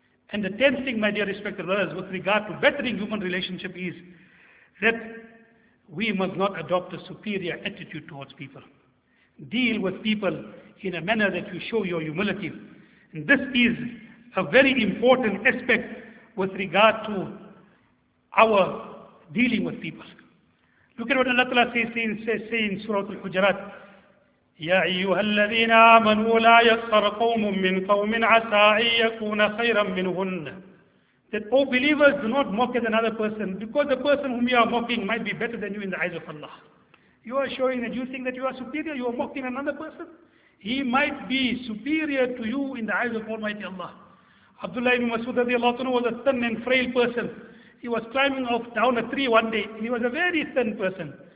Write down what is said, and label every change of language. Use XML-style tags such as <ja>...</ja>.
<en>And the tenth thing, my dear respected brothers, with regard to bettering human relationship is that we must not adopt a superior attitude towards people. Deal with people in a manner that you show your humility. And this is a very important aspect with regard to our dealing with people.</en> <ar>ذكر بأن الله تعالى في سورة الحجرات: يا أيها الذين آمنوا لا يسخر قوم من قوم عسى أن يكون خيرا منهن.</ar> <en>That all believers do not mock at another person, because the person whom you are mocking might be better than you in the eyes of Allah. You are showing that you think that you are superior, you are mocking another person. He might be superior to you in the eyes of Almighty Allah. Abdullah ibn Mas'ud radiallahu anhu was a thin and frail person. He was climbing off down a tree one day, and he was a very thin person.</en>